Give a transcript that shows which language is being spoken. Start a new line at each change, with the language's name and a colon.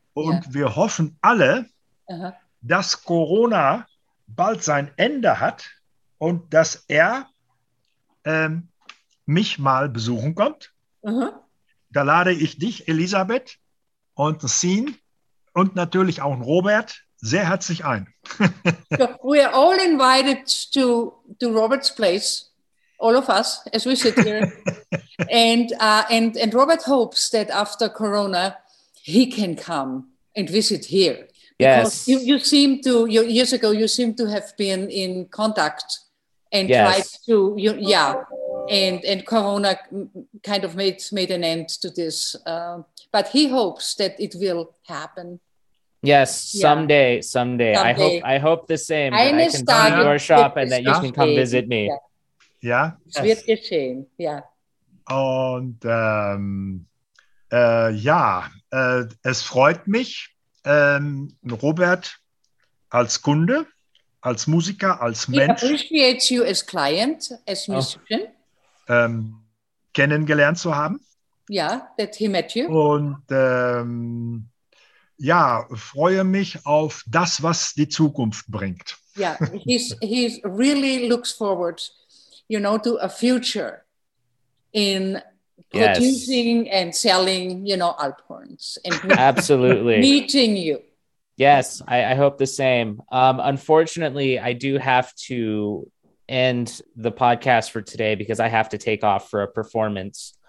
German: Und wir hoffen alle, dass Corona bald sein Ende hat und dass er mich mal besuchen kommt. Mhm. Da lade ich dich, Elisabeth, und Sin und natürlich auch Robert sehr herzlich ein.
English: We are all invited to Robert's place, all of us, as we sit here. and Robert hopes that after Corona, he can come and visit here. Because yes. Years ago, you seem to have been in contact and tried to, And Corona kind of made an end to this. But he hopes that it will happen. Yes, someday. I hope the same.
German: Eines
English: I can come to your shop and that you can come visit me. Yeah.
German: Es wird geschehen, Und es freut mich, Robert als Kunde, als Musiker, als Mensch.
English: He appreciates you as client, as musician.
German: Kennengelernt zu haben.
English: Ja, that he met you.
German: Und ja, freue mich auf das, was die Zukunft bringt.
English: Ja, yeah, he's really looks forward, you know, to a future in producing yes. and selling, you know, Alphorns. And absolutely. Meeting you. Yes, I hope the same. Unfortunately, I do have to end the podcast for today because I have to take off for a performance.